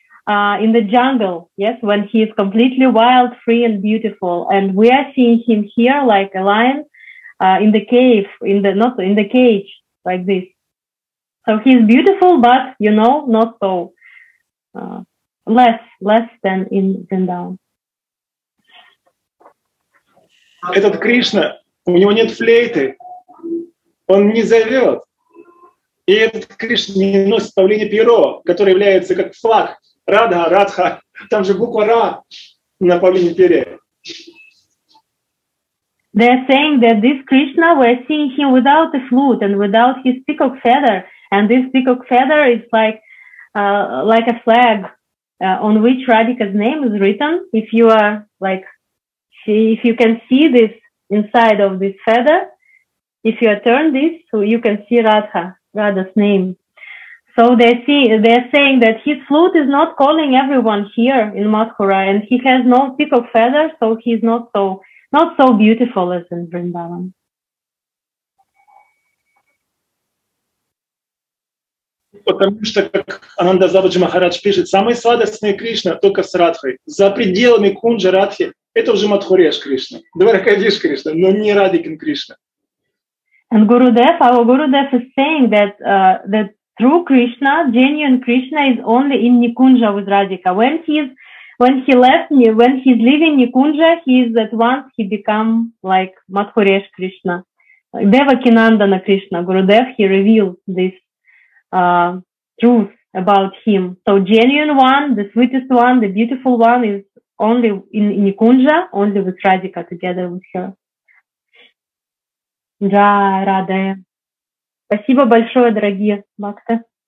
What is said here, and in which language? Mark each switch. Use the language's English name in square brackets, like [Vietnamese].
[English] In the jungle, yes, when he is completely wild, free, and beautiful, and we are seeing him here like a lion in the cave, in the cage, like this. So he is beautiful, but you know, not so less than in Vrindavan. [Russian] Этот Кришна, у него нет флейты, он не зовет, и этот Кришна не носит павлинье перо, которое является как флаг. Radha, Radha, там же буква Ra на павлине перья. [English] They are saying that this Krishna, we are seeing him without a flute and without his peacock feather, and this peacock feather is like a flag on which Radhika's name is written. If you are if you can see this inside of this feather, if you turn this, so you can see Radha, Radha's name. So they're saying that his flute is not calling everyone here in Mathura, and he has no peacock feather, so he's not so beautiful as in Vrindavan. [Russian] Потому что, как Ананда Забаджи Махарадж пишет, самый сладостный Кришна только с Радхой. За пределами Кунджа Радхи это уже Мадхуреш Кришна, Дваракадиш Кришна, но не Радикин Кришна. [English] And Gurudev, our Gurudev is saying that that true Krishna, genuine Krishna, is only in Nikunja with Radhika. When he's leaving Nikunja, he is at once, he become like Madhuresh Krishna. Devakinandana Krishna, Gurudev, he revealed this truth about him. So genuine one, the sweetest one, the beautiful one, is only in Nikunja, only with Radhika, together with her. [Russian] Да, Раде. Спасибо большое, дорогие Бхакта.